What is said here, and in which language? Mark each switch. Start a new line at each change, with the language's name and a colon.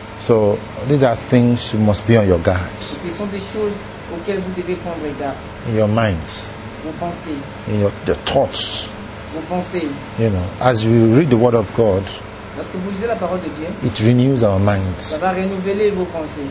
English: So these are things you must be on your guard.
French: Ce sont des choses auxquelles vous devez prendre garde.
English: In your minds.
French: Vos pensées.
English: In your thoughts.
French: Vos pensées.
English: You know, as you read the word of God.
French: Lorsque vous lisez la parole de Dieu.
English: It renews our minds.
French: Ça va renouveler vos pensées.